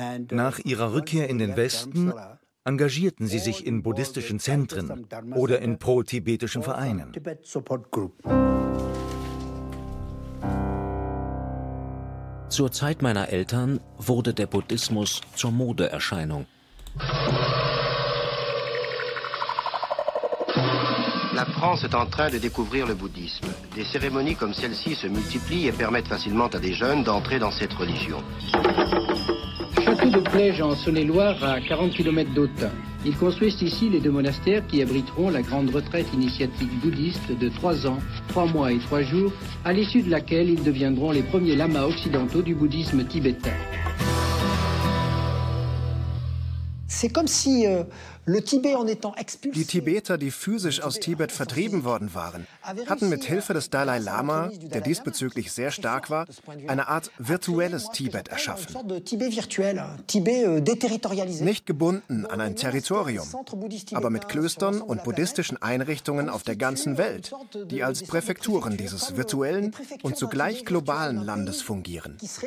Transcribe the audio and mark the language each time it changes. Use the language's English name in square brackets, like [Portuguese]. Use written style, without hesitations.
[German] Nach ihrer Rückkehr in den Westen engagierten sie sich in buddhistischen Zentren oder in pro-tibetischen Vereinen. Zur Zeit meiner Eltern wurde der Buddhismus zur Modeerscheinung. [French] La France est en train de découvrir le bouddhisme. Des cérémonies comme celle-ci se multiplient et permettent facilement à des jeunes d'entrer dans cette religion. Château de Plège en Saône-et-Loire, à 40 km d'Autun. Ils construisent ici les deux monastères qui abriteront la grande retraite initiatique bouddhiste de 3 ans, 3 mois et 3 jours, à l'issue de laquelle ils deviendront les premiers lamas occidentaux du bouddhisme tibétain. C'est comme si le Tibet en étant expulsé. [German] Die Tibeter, die physisch aus Tibet vertrieben worden waren, hatten mit Hilfe des Dalai Lama, der diesbezüglich sehr stark war, eine Art virtuelles Tibet erschaffen. Nicht gebunden an ein Territorium, aber mit Klöstern und buddhistischen Einrichtungen auf der ganzen Welt, die als Präfekturen dieses virtuellen und zugleich globalen Landes fungieren.